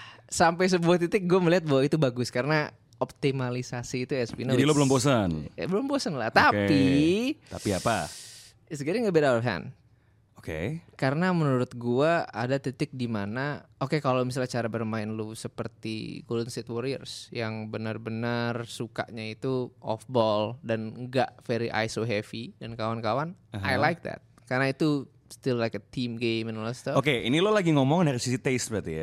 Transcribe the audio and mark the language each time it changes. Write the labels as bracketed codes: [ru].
[id] Sampai sebuah titik gue melihat bahwa itu bagus karena optimalisasi itu SP. Jadi lo belum bosan? Belum bosan lah, tapi apa? [en] It's getting a bit out of hand. [id] Oke. [en] Okay. [id] Karena menurut gue ada titik di mana, kalau misalnya cara bermain lu seperti Golden State Warriors yang benar-benar sukanya itu [en] off ball [id] dan enggak [en] very ISO heavy [id] dan kawan-kawan, [en] I like that. [id] Karena itu [en] still like a team game and all that stuff. [id] Oke, okay, ini lo lagi ngomong dari sisi taste berarti ya?